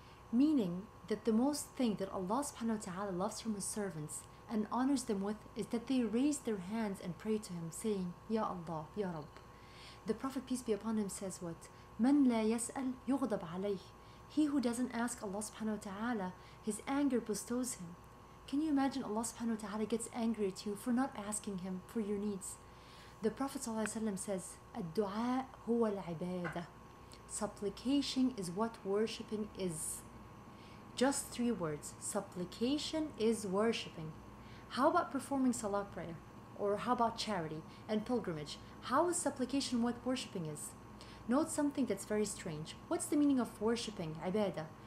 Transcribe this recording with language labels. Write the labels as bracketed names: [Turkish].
[English] Meaning that the most thing that Allah subhanahu wa ta'ala loves from his servants and honors them with is that they raise their hands and pray to him, saying, Ya Allah, Ya Rabb. The Prophet, peace be upon him, says what? [Arabic] من لا يسأل يغضب عليه. [English] He who doesn't ask Allah subhanahu wa ta'ala, his anger bestows him. Can you imagine Allah subhanahu wa ta'ala gets angry at you for not asking him for your needs? The Prophet ﷺ says, [Arabic] الدعاء هو العبادة. [English] Supplication is what worshipping is. Just three words. Supplication is worshipping. How about performing salah prayer? Or how about charity and pilgrimage? How is supplication what worshipping is? Note something that's very strange. What's the meaning of worshipping, ibadah?